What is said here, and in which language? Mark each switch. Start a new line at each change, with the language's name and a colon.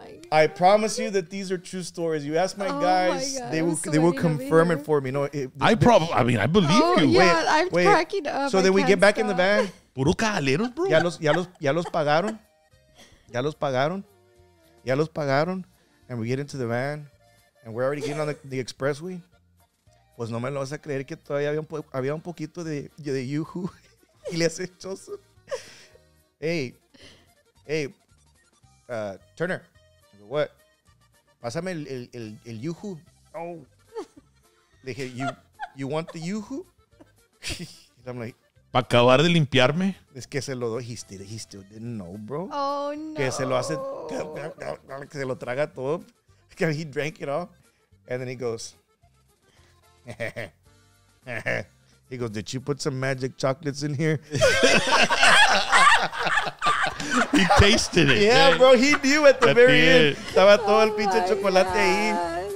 English: I promise you that these are true stories. You ask my guys, my God, they will confirm it for me. No, I believe you. Yeah, I'm cracking up. So then we get back in the van.
Spanish: Puro cagalero, bro. Ya los pagaron.
English: And we get into the van, and we're already getting on the expressway.
Spanish: Pues no me lo vas a creer que todavía había un poquito de yuhu y le hace choso.
English: Hey, Turner. What?
Spanish: Pásame el yuhu. Oh. Le dije,
English: you want the yuhu? I'm like,
Spanish: ¿para acabar de limpiarme? Es que se lo doy.
English: He still didn't know, bro. Oh, no.
Spanish: Que se lo hace, que se lo traga todo.
English: Que he drank it all. And then he goes, he goes, did you put some magic chocolates in here? He tasted it. Yeah, bro. He knew at the very end.
Spanish: Estaba todo el pinche chocolate ahí.